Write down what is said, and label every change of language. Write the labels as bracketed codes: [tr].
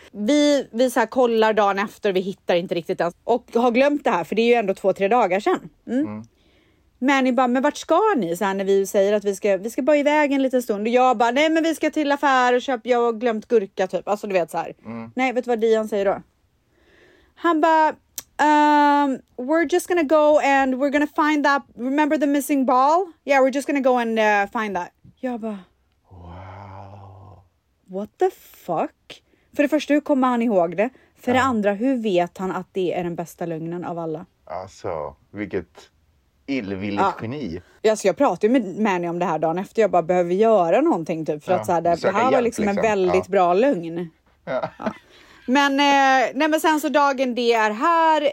[sv] Vi så här kollar dagen efter, vi hittar inte riktigt ens. Och har glömt det här, för det är ju ändå 2-3 dagar sedan. Men ni bara, men vart ska ni? Så här, när vi säger att vi ska bara iväg en liten stund. Och jag bara, nej men vi ska till affär och köpa, jag har glömt gurka typ. Alltså du vet så här. Nej, vet du vad Dion säger då? Han bara, [en] we're just gonna go and we're gonna find that, remember the missing ball? Yeah, we're just gonna go and find that. [sv] Jag bara, [en] wow. What the fuck? [sv] För det första, hur kommer han ihåg det? För det andra, hur vet han att det är den bästa lögnen av alla? Alltså, vilket illvilligt geni. Alltså, jag pratade ju med Manny om det här dagen efter. Jag bara, behöver göra någonting typ. För att så här, det här var liksom en väldigt bra lögn. Men, nej, men sen så dagen det är här.